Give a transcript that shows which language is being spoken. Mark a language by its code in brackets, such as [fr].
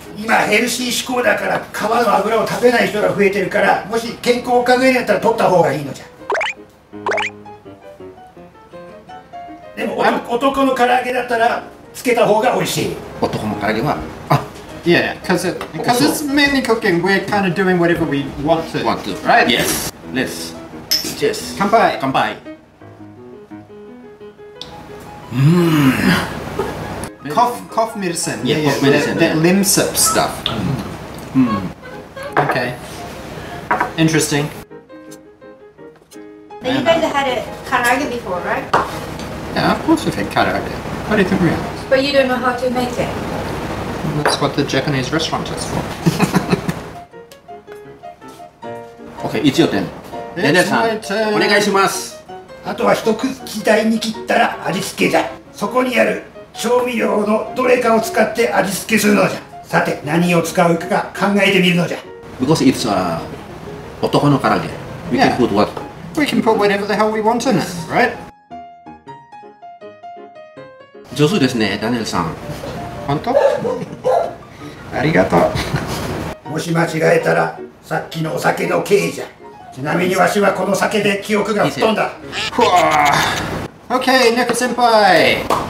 [ja] 今ヘルシー志向だから皮の脂を食べない人が増えてるからもし健康を考えるんだったら取った方がいいのじゃでも男の唐揚げだったらつけた方が美味しい男の唐揚げは [en] あ Yeah, because it's mainly cooking, we're kind of doing whatever we want to. Want to, right? Yes, let's. Cheers. [ja] 乾杯乾杯 [en] Cough medicine. Yeah, cough medicine. That limb sip stuff. Hmm. Okay. Interesting. Now you guys have had a karaage before, right? Yeah, of course we've had karaage. What do you think we have? But you don't know how to make it. That's what the Japanese restaurant is for. Okay, it's your turn. It's my turn. [ja] Onegaishimasu. あとは一口大に切ったら味付けじゃ。そこにある。調味料のどれかを使って味付けするのじゃさて何を使うか考えてみるのじゃ [en] Because it's a [ja] 男の唐揚げ [en] We can put what? We can put whatever the hell we want in it, right? [ja] 上手ですね、ダニエルさん本当ありがとうもし間違えたらさっきのお酒の経緯じゃちなみにわしはこの酒で記憶が吹っ飛んだ [en] ふわー OK, Neko senpai!